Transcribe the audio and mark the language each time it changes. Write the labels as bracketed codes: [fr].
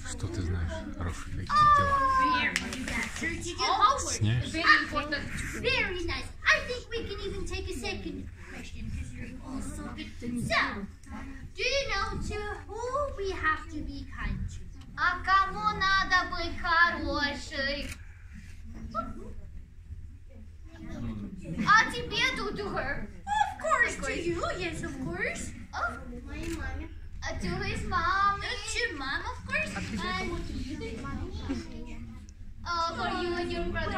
[ru] Что ты знаешь, хорошие такие дела? [en] Very nice. I think we can even take a second question because you're also good. So, do you know to who we have to be kind to? [ru] А кому надо быть хорошей? А тебе, Дудухер? [en] Of course, to you. Yes, of course. Oh, my mommy. To his mom. To mom, of course. For you and your brother.